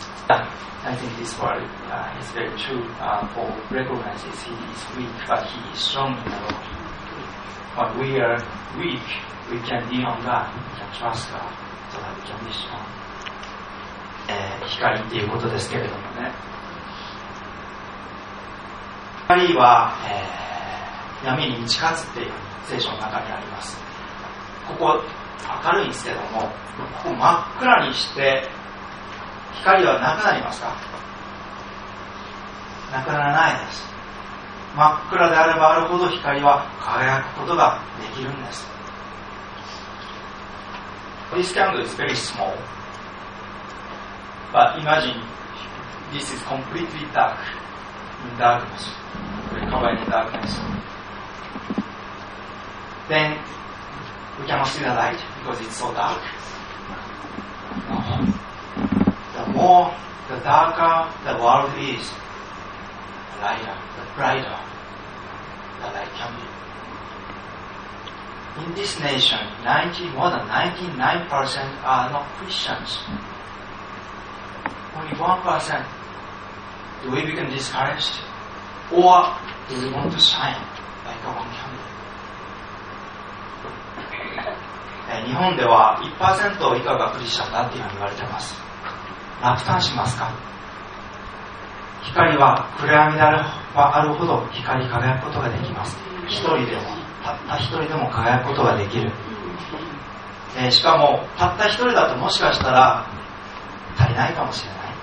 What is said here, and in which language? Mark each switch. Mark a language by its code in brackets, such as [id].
[en] I think this word is very true. Paul recognizes he is weak, but he is strong in the Lord. When we are weak, we can lean on God, we can trust God, so that we can be strong. [ja] 光ということですけれどもね。光は、闇に打ち勝つっていう聖書の中にあります。ここ明るいんですけども、ここ真っ暗にして、光はなくなりますか？なくならないです。真っ暗であればあるほど光は輝くことができるんです。 [en] This candle is very small, but imagine this is completely dark in darkness, covered in darkness. Then we cannot see the light because it's so dark. The more, the darker the world is, the lighter, the brighterthat I can be. In this nation, more than 99% are not Christians. Only 1%. Do we become discouraged? Or do we want to shine like our own candle? [ja] 日本では 1% 以下がクリスチャンだって言われてます。落胆しますか？光は暗闇であればあるほど光り輝くことができます。一人でも、たった一人でも輝くことができる。しかもたった一人だともしかしたら足りないかもしれない。